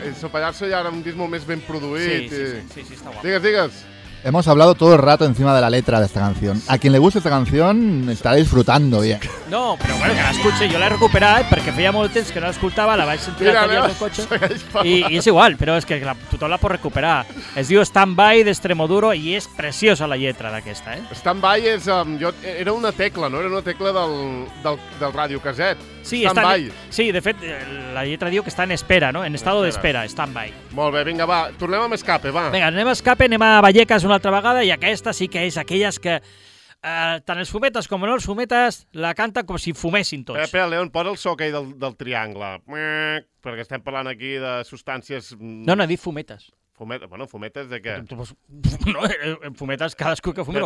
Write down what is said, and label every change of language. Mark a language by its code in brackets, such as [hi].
[ca] El Payaso ja era un disc molt més ben produït. Sí, està guapo. Digues. [es] Hemos hablado todo el rato encima de la letra de esta canción. A quien le guste esta canción estará disfrutando bien. No, pero bueno, que la escuche. Yo la he recuperado porque [ca] feia molt temps que no la escoltava, la vaig sentir mira, a tenir el cotxe. I és igual, però és que tothom la pot recuperar. Es diu Standby d'Extremoduro i és preciosa la lletra d'aquesta. Eh? Standby és, era una tecla, no? Era una tecla del Radio Caset. Sí, de fet, la lletra diu que està en espera, no? [es] En estado de espera, [ca] standby. Molt bé, vinga, va, tornem amb Escape, va. Vinga, anem a Escape, anem a Vallecas una altra vegada i aquesta sí que és aquelles que tant els fumetes com no els fumetes la canta com si fumessin tots. Espera, León, posa el so aquell del triangle. Perquè estem parlant aquí de substàncies... No, dit fumetes. Fumetes, bueno, fumetes de què? No, fumetes cadascú que fuma.